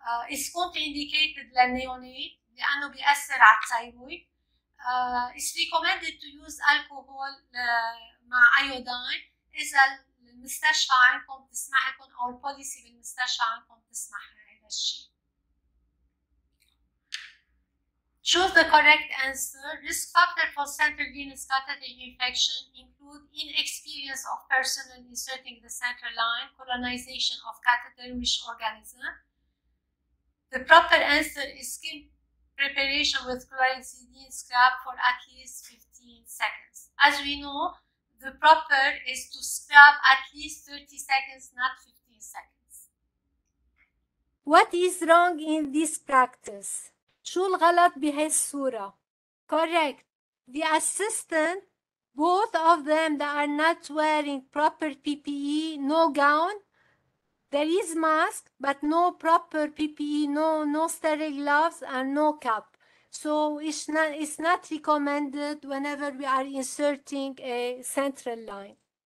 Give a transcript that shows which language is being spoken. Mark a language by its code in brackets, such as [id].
[en] It's contraindicated [ar] للنيونات لأنه بيأثر على الثايرويد. [en] It's recommended to use alcohol [ar] مع أيودين إذا المستشفى عندكم تسمح لكم أو البوليسي بالمستشفى عندكم تسمح هذا الشيء. [en] Choose the correct answer. Risk factor for central venous catheter infection include inexperience of personnel inserting the central line, colonization of catheter-rich organism. The proper answer is skin preparation with chlorhexidine scrub for at least 15 seconds. As we know, the proper is to scrub at least 30 seconds, not 15 seconds. What is wrong in this practice? [ar] شو الغلط بهي الصورة؟ Correct. [en] The assistant, both of them that are not wearing proper PPE, no gown. There is mask, but no proper PPE, no sterile gloves and no cap. So it's not recommended whenever we are inserting a central line.